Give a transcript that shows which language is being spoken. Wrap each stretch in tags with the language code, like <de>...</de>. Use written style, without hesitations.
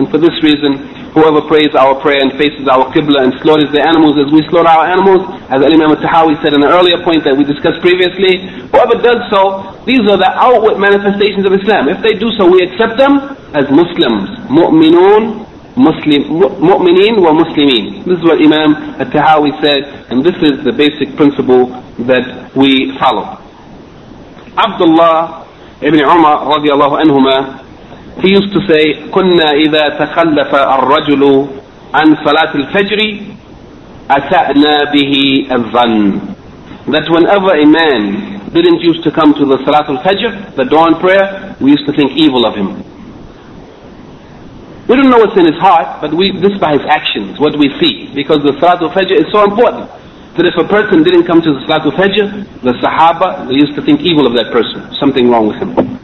<en>And for this reason, whoever prays our prayer and faces our Qibla and slaughters the animals as we slaughter our animals, as Imam al-Tahawi said in an earlier point that we discussed previously, whoever does so, these are the outward manifestations of Islam. If they do so, we accept them as Muslims. Mu'minun, mu'minin wa muslimin. This is what Imam al-Tahawi said, and this is the basic principle that we follow. Abdullah ibn Umar radiallahu anhuma, he used to say,</en> <ar>كُنَّا إِذَا تَخَلَّفَ الرَّجُلُ عَنْ صَلَاةِ الْفَجْرِ أَسَأْنَا بِهِ الظَّنِّ.</ar> <en>That whenever a man didn't used to come to the Salat al-Fajr, the dawn prayer, we used to think evil of him. We don't know what's in his heart, but this by his actions, what we see. Because the Salat al-Fajr is so important, that if a person didn't come to the Salat al-Fajr, the Sahaba, they used to think evil of that person, something wrong with him.</en>